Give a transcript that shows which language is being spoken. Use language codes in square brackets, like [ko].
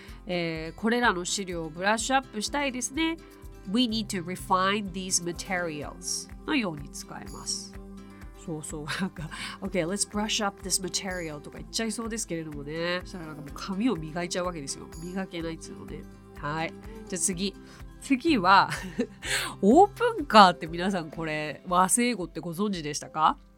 [ja] これらの資料をブラッシュアップしたいですね。 [en] We need to refine these materials [ja] のように使えます。そうそう、なんか [en] Okay, let's brush up this material [ja] とか言っちゃいそうですけれどもね。そしたらなんかもう髪を磨いちゃうわけですよ。磨けないっていうのね。はい、じゃあ次はオープンカーって、皆さんこれ和製英語ってご存知でしたか？